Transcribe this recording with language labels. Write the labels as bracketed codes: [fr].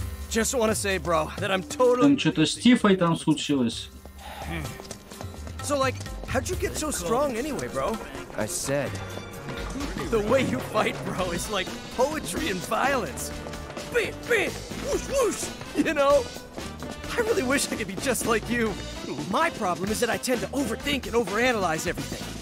[en] Just want to say, bro, that I'm totally... [ru] Там что-то с Тифой там случилось. [en] So, like, how'd you get so strong anyway, bro? I said... The way you fight, bro, is like poetry and violence. Beep, beep, whoosh, whoosh, you know? I really wish I could be just like you. My problem is that I tend to overthink and overanalyze everything.